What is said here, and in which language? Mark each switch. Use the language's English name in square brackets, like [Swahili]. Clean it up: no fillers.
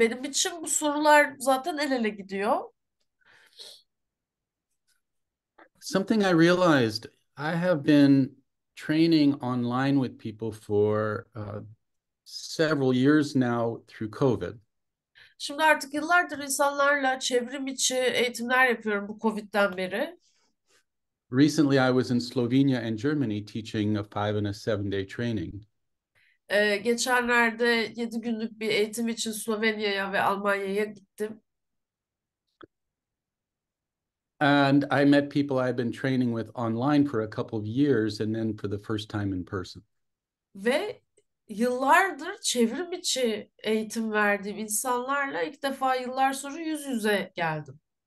[Turkish] Benim için bu sorular zaten el ele gidiyor. [English] Something I realized, I have been training online with people for several years now through COVID. [Turkish] Şimdi artık yıllardır insanlarla çevrim içi eğitimler yapıyorum bu Covid'den beri. [English] Recently, I was in Slovenia and Germany teaching a 5 and a 7 day training. [Turkish] Geçenlerde 7 günlük bir eğitim için Slovenya'ya ve Almanya'ya gittim. [English] And I met people I've been training with online for a couple of years and then for the first time in person. [Turkish] Ve yıllardır çevrim içi eğitim verdiğim insanlarla ilk defa yıllar sonra yüz yüze geldim.